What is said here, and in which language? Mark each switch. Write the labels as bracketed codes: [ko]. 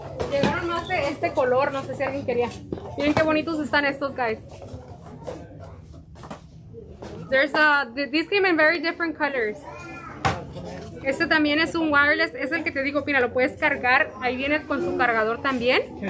[es] Llegaron más de este color, no sé si alguien quería. Miren qué bonitos están estos, guys. [en] There's a these came in very different colors. [es] Este también es un wireless, es el que te digo, mira, lo puedes cargar, ahí viene con su cargador también.